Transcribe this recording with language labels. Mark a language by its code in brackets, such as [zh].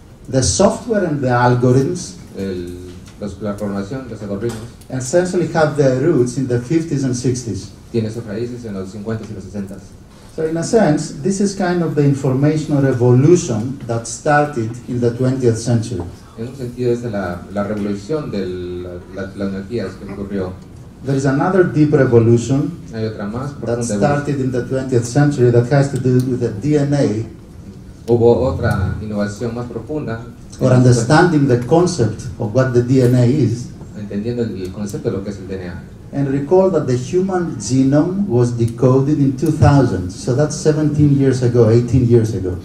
[en] The software and the algorithms, [es] la programación, los algoritmos, [en] essentially have their roots in the 50s and 60s. [es] Tiene sus raíces en los 50s y los 60s. [en] So in a sense, this is kind of the information revolution that started in the 20th century. [es] En un sentido es la revolución de la energía que ocurrió. [en] There is another deep revolution [es] Hay otra más [en] that started in the 20th century that has to do with the DNA. [es] Hubo otra innovación más profunda. [en] Or understanding the concept of what the DNA is. [es] Entendiendo el concepto de lo que es el DNA. [en] And recall that the human genome was decoded in 2000, so that's 17 years ago, 18 years ago.